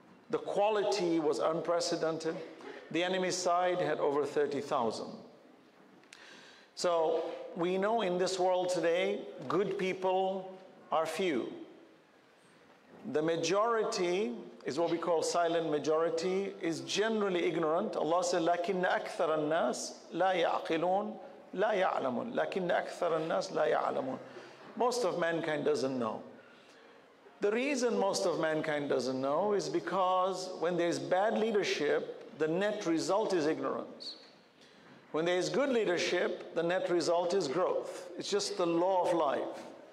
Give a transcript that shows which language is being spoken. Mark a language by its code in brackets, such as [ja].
[en] The quality was unprecedented. The enemy side had over 30,000. So we know in this world today, good people are few. The majority is what we call silent majority, is generally ignorant. Allah said, [ar] لكن أكثر الناس لا يعقلون لا يعلمون. لكن أكثر الناس لا يعلمون. [en] Most of mankind doesn't know. The reason most of mankind doesn't know is because when there's bad leadership, the net result is ignorance. When there is good leadership, the net result is growth. It's just the law of life.